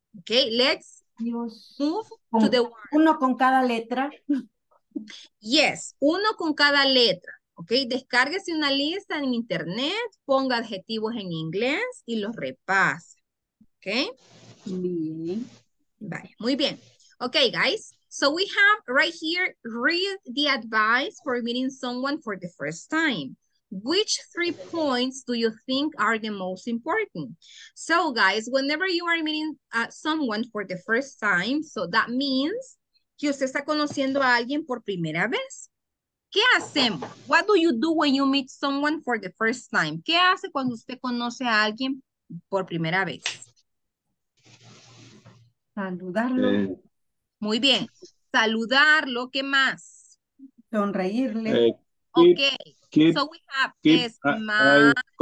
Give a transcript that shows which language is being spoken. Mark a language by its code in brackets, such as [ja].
[en] Ok, let's move to the word. [es] Uno con cada letra. [en] Yes, [es] uno con cada letra. Ok, descárguese una lista en internet, ponga adjetivos en inglés y los repase. Ok. Vale, muy bien. [en] Okay, guys. So we have right here, read the advice for meeting someone for the first time. Which three points do you think are the most important? So guys, whenever you are meeting someone for the first time, so that means [es] que usted está conociendo a alguien por primera vez. ¿Qué hacemos? [en] What do you do when you meet someone for the first time? [es] ¿Qué hace cuando usted conoce a alguien por primera vez? Saludarlo. Muy bien. Saludarlo, ¿qué más? Sonreírle. [en] Okay. So we have keep smile.